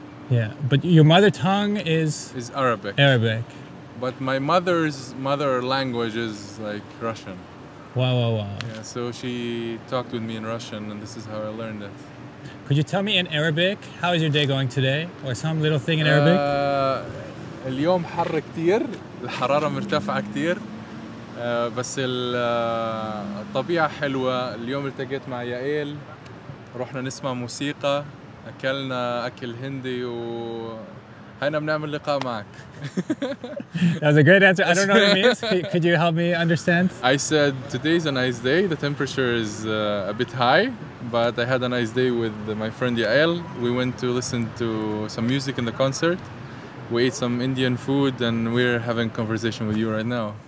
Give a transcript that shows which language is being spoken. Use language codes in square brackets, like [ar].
[en] Yeah, but your mother tongue is... Is Arabic. Arabic. But my mother's mother language is like Russian. Wow, wow, wow. Yeah, so she talked with me in Russian and this is how I learned it. Could you tell me in Arabic, how is your day going today? Or some little thing in Arabic? [ar] اليوم حر كتير الحرارة مرتفعة كتير بس الطبيعة حلوة اليوم التقيت مع يائيل رحنا نسمع موسيقى أكلنا أكل هندي وهنا بنعمل لقاء معك. [en] That was a great answer. I don't know what it means. Could you help me understand? I said today's a nice day. The temperature is a bit high, but I had a nice day with my friend Yael. We went to listen to some music in the concert. We ate some Indian food and we're having conversation with you right now.